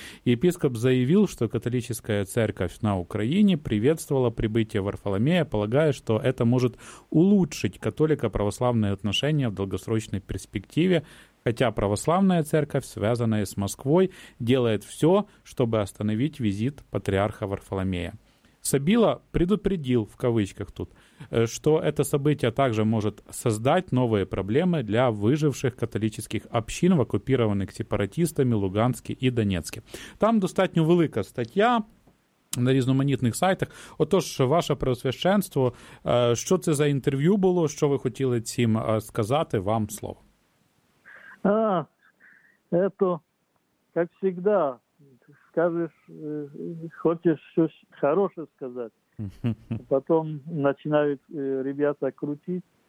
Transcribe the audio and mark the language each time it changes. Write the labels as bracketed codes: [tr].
[ru] Епископ заявил, что католическая церковь на Украине приветствовала прибытие Варфоломея, полагая, что это может улучшить католико-православные отношения в долгосрочной перспективе, хотя православная церковь, связанная с Москвой, делает все, чтобы остановить визит патриарха Варфоломея. Сабіла предупредил, в кавычках тут, что это событие также может создать новые проблемы для выживших католических общин в оккупированных сепаратистами Луганске и Донецке. [uk] Там достатньо велика статья на різноманітних сайтах. Отож, ваше преосвященство, що це за інтерв'ю було, що ви хотіли цим сказати, вам слово. [ru] А, это, как всегда, скажешь, хочешь что-то хорошее сказать, потом начинают ребята крутить.